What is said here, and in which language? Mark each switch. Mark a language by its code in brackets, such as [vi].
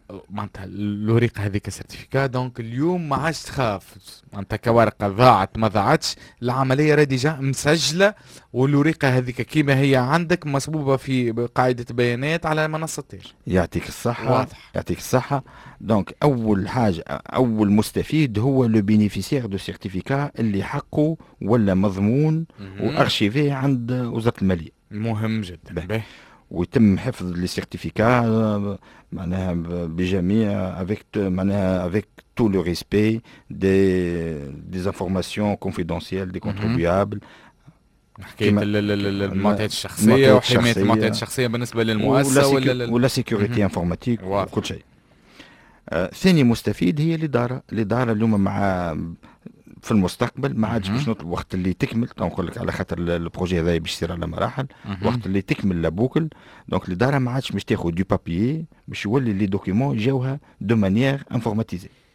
[ar] معناتها الوريقة هذيك سيرتيفيكا، دونك اليوم ما عادش تخاف، معناتها كورقة ضاعت ما ضاعتش، العملية راهي ديجا مسجلة، والوريقة هذيك كيما هي عندك مصبوبة في قاعدة بيانات على منصة تاج. يعطيك الصحة. واضح. يعطيك الصحة. دونك أول حاجة، أول مستفيد هو لو بينيفيسيير دو سيرتيفيكا اللي حقه ولا مضمون وأرشيفيه عند وزارة المالية. مهم جدا. باهي. ويتم حفظ لي سيرتيفيكا معناها بجميع [fr] avec tout le respect des informations confidentielles des contribuables. [ar] حكايه المعطيات الشخصيه وحمايه المعطيات الشخصيه بالنسبه للمؤسسه ولا سيكوريتي انفورماتيك وكل شيء. ثاني مستفيد هي الاداره اليوم مع في المستقبل ما عادش باش نطلب وقت اللي تكمل، نقول لك على خاطر البروجي هذا باش يصير على مراحل، وقت اللي تكمل لابوكل، دونك الاداره ما عادش باش تاخذ دو بابي، باش يولي لي دوكيومون جاوها دو مانيير انفورماتيزي.